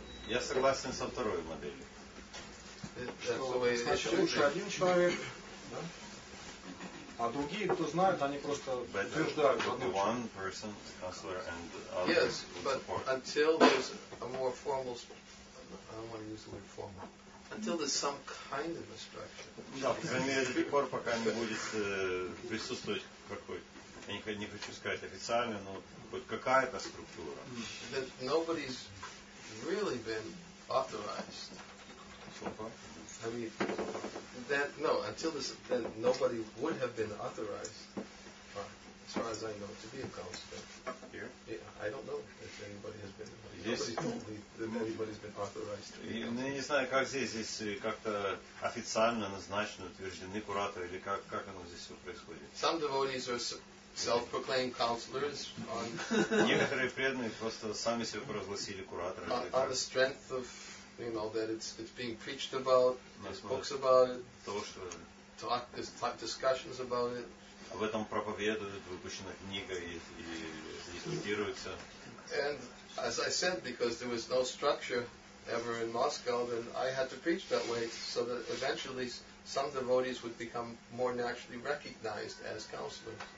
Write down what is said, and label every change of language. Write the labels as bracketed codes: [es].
[ru] Я согласен со второй моделью. Значит, лучше один человек, да? А другие, кто знает, они просто утверждают одну [en] person. Yes, but until there's a more formal, I don't want to use the word formal, until there's some kind of a structure. [ru] Да, до тех пор, пока не будет присутствовать какой-то. Я не хочу сказать официально, но хоть какая-то структура. [en] That nobody's really been authorized. So far? I mean, that, no, until this, then nobody would have been authorized, as far as I know, to be a counselor. Here? Yeah, I don't know if anybody has been, anybody's been authorized to be a counselor. [ru] Я не знаю, как здесь как-то официально назначены, утверждены кураторы, или как оно здесь все происходит. [en] Some devotees are self-proclaimed counselors. [ru] Некоторые преданные просто сами себя провозгласили кураторами. [en] On the strength of, you know, that it's being preached about, there's books about it, discussions about it. [ru] Об этом проповедуют, выпущена книга и дискутируется. [en] And as I said, because there was no structure ever in Moscow, then I had to preach that way so that eventually some devotees would become more naturally recognized as counselors.